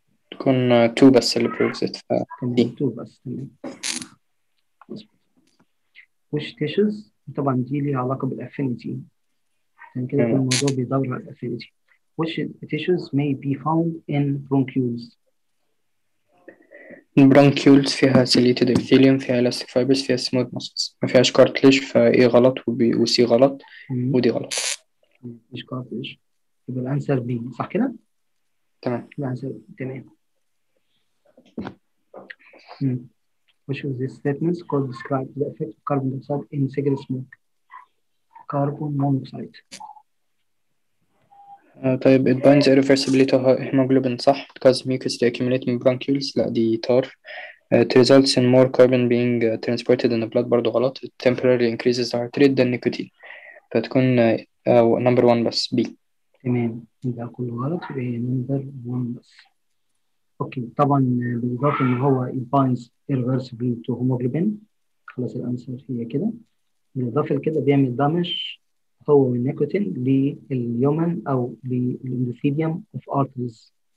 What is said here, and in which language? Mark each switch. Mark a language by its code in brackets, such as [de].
[ar] تكون 2 بس اللي proves it. 2 بس. Which tissues؟ طبعا دي ليها علاقه بالافينيتي، عشان كده كل الموضوع بيدور على الافينيتي. [en] Which tissues may be found in bronchioles؟ [ar] البرونكيولز فيها سيليتد ابثيليوم، فيها الاستيك فايبرز، فيها سموث موسكس، ما فيهاش كارتليج، فاي غلط وسي غلط ودي غلط. مش كارتليج، يبقى الانسر بي صح كده؟ تمام. الانسر تمام. [en] Which of these statements could describe the effect of carbon dioxide in cigarette smoke? Carbon monoxide. طيب it binds irreversibly to hemoglobin صح because mucus they accumulate in bronchioles [ar] لا دي تار. [en] It results in more carbon being transported in the blood [ar] برضو غلط. [en] It temporarily increases the heart rate than nicotine. [ar] فتكون [en] number one بس B. [ar] تمام ده كله غلط يبقى number one بس. اوكي طبعا بالاضافه ان هو [en] binds irreversibly to hemoglobin [ar] خلاص الانسر هي كده، بالاضافه لكده بيعمل دامج هو والنيكوتين لليومن او للاندوثيليوم اوف ارتريز،